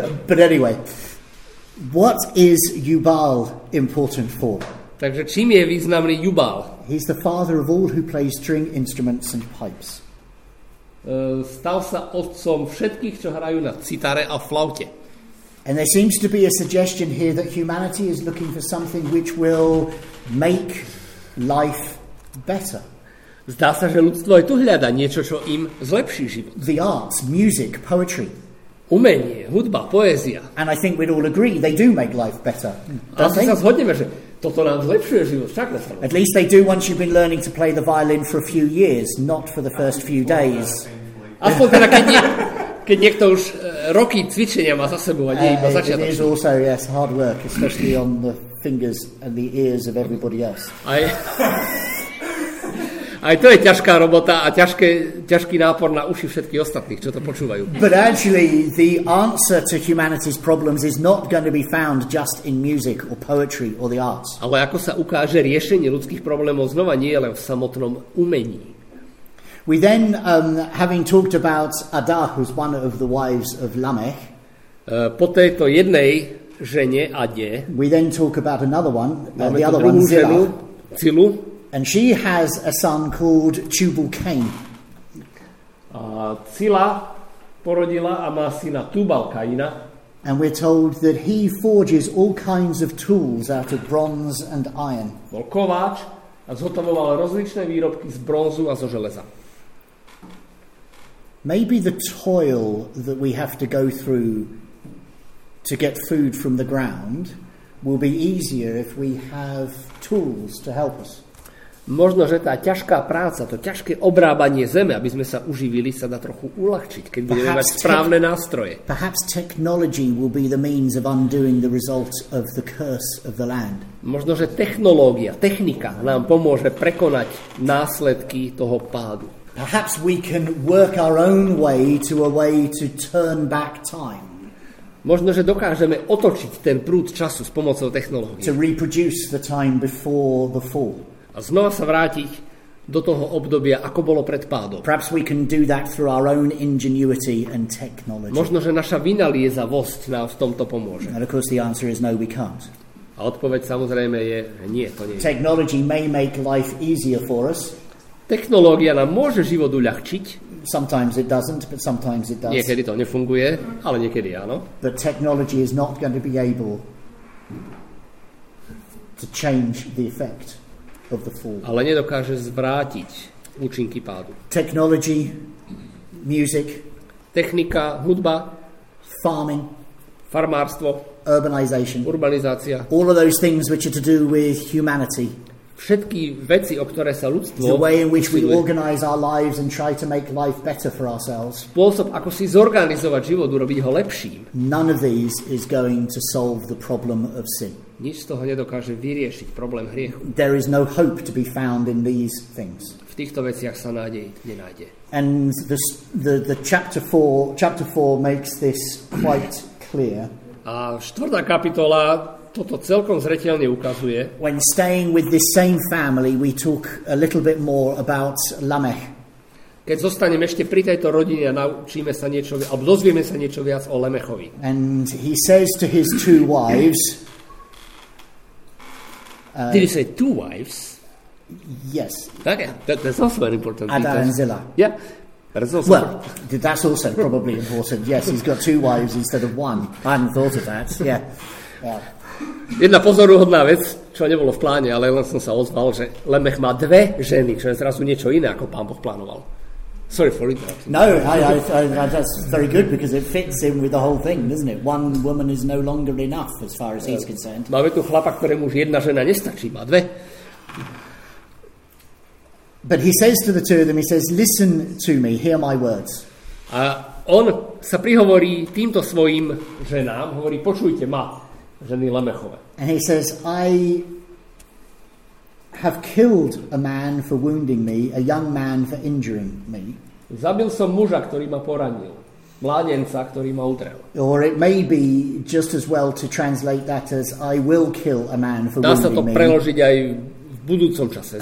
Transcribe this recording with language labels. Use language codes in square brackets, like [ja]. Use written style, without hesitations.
[en] But anyway, what is Jubal important for? [sk] Takže čím je významný Jubal? [en] He's the father of all who play string instruments and pipes. [sk] Stal sa otcom všetkých, čo hrajú na citare a flaute. [en] And there seems to be a suggestion here that humanity is looking for something which will make life better. [sk] Zdá sa, že ľudstvo je tu hľada niečo, čo im zlepší život. [en] The arts, music, poetry. [sk] Umenie, hudba, poézia. [en] And I think we'd all agree they do make life better. [sk] A asi sa zhodneme, že toto nám zlepšuje život, však nás. [en] At least they do once you've been learning to play the violin for a few years, not for the first few days. [sk] Aspoň teda, keď niekto už roky cvičenia má za sebou a nie iba začiatočný. [en] It is also, yes, hard work, especially on the fingers and the ears of everybody else. [sk] Aj to je ťažká robota a ťažký nápor na uši všetkých ostatných, čo to počúvajú. [en] But actually, the answer to humanity's problems is not going to be found just in music or poetry or the arts. [sk] Ale ako sa ukáže, riešenie ľudských problémov znova nie je len v samotnom umení. [en] We then, having talked about Ada, who's one of the wives of Lamech, [sk] po tejto jednej žene Ade, [en] we then talk about another one, the other one, Zila. And she has a son called Tubal-Cain. [sk] Cila porodila a má syna Tubal-Caina. [en] And we're told that he forges all kinds of tools out of bronze and iron. [sk] Bol kováč a zhotovoval rozličné výrobky z bronzu a zo železa. [en] Maybe the toil that we have to go through to get food from the ground will be easier if we have tools to help us. [sk] Možno, že tá ťažká práca, to ťažké obrábanie zeme, aby sme sa uživili, sa dá trochu uľahčiť, keď budeme mať správne nástroje. [en] Perhaps technology will be the means of undoing the results of the curse of the land. [sk] Možno, že technológia, technika nám pomôže prekonať následky toho pádu. [en] Perhaps we can work our own way to a way to turn back time. [sk] Možno, že dokážeme otočiť ten prúd času s pomocou technológie. [en] To reproduce the time before the fall. [sk] A znova sa vrátiť do toho obdobia, ako bolo pred pádom. [en] Perhaps we can do that through our own ingenuity and technology. [sk] Možno, že naša vynaliezavosť nám v tomto pomôže. [en] And of course the answer is no, we can't. [sk] A odpoveď samozrejme je nie, to nie. [en] Technology may make life easier for us. [sk] Technológia nám môže život uľahčiť. [en] Sometimes it doesn't, but sometimes it does. [sk] Niekedy to nefunguje, ale niekedy áno. [en] But technology is not going to be able to change the effect of the fall. [sk] Ale nedokáže zvrátiť účinky pádu. [en] Technology, music, [sk] technika, hudba, [en] farming, [sk] farmárstvo, [en] urbanization, [sk] urbanizácia, [en] all of those things which are to do with humanity. [sk] Všetky veci, o ktoré sa ľudstvo usiluje. [en] The way in which we organize our lives and try to make life better for ourselves. [sk] Spôsob, ako si zorganizovať život, urobiť ho lepším. [en] None of these is going to solve the problem of sin. [sk] Nič z toho nedokáže vyriešiť problém hriechu. [en] There is no hope to be found in these things. [sk] V týchto veciach sa nádej nenájde. [en] And the chapter 4 makes this quite clear. [sk] A štvrtá kapitola toto celkom zretelne ukazuje. [en] When staying with this same family, we talk a little bit more about Lamech. [sk] Keď zostaneme ešte pri tejto rodine a naučíme sa niečo, alebo dozvieme sa niečo viac o Lamechovi. [en] And he says to his two wives. Did he say two wives? Yes. Okay, that's also very important. Ada and Zila. Yeah. Well, that's also probably important. Yes, he's got two wives instead of one. I hadn't thought of that. Yeah. [sk] Jedna pozoruhodná vec, čo nebolo v pláne, ale len som sa ozval, že Lamech má dve ženy, čo je zrazu niečo iné, ako Pán Boh plánoval. [en] Sorry for interrupting. No, that's very good because it fits in with the whole thing, doesn't it? One woman is no longer enough as far as he's concerned. [sk] Máme tu chlapa, ktorému už jedna žena nestačí, má dve. [en] But he says to the two of them, he says, listen to me, hear my words. [sk] A on sa prihovorí týmto svojim ženám, hovorí, počujte ma, ženy Lamechove. [en] And he says, I have killed a man for wounding me, a young man for injuring me. [sk] Zabil som muža, ktorý ma poranil, mladenca, ktorý ma utrel. [en] Or it may be just as well to translate that as, I will kill a man for wounding me. [sk] Dá sa to preložiť aj v budúcom čase.